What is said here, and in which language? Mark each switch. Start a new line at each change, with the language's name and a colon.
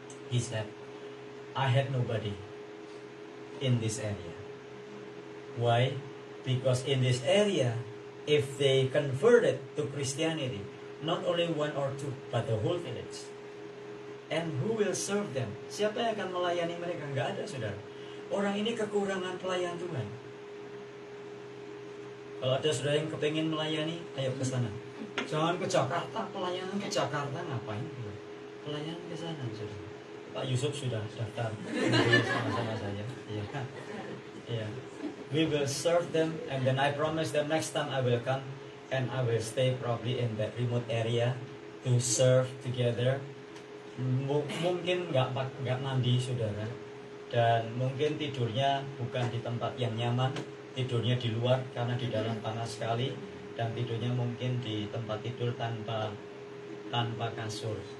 English: He said, I had nobody in this area. Why? Because in this area, if they converted to Christianity, not only one or two, but the whole village. And who will serve them?
Indonesian: Siapa yang akan melayani mereka? Enggak ada, saudara. Orang ini kekurangan pelayan Tuhan. Kalau ada saudara yang kepengen melayani, ayo ke sana. Jangan ke Jakarta, pelayanan ke Jakarta ngapain? Pelayanan ke sana, saudara. Pak Yusuf sudah daftar sama-sama saya. Iya. Iya.
English: We will serve them, and then I promise them next time I will come. And I will stay probably in that remote area to serve together.
Indonesian: Mungkin nggak mandi, saudara. Dan mungkin tidurnya bukan di tempat yang nyaman. Tidurnya di luar karena di dalam panas sekali. Dan tidurnya mungkin di tempat tidur tanpa kasur.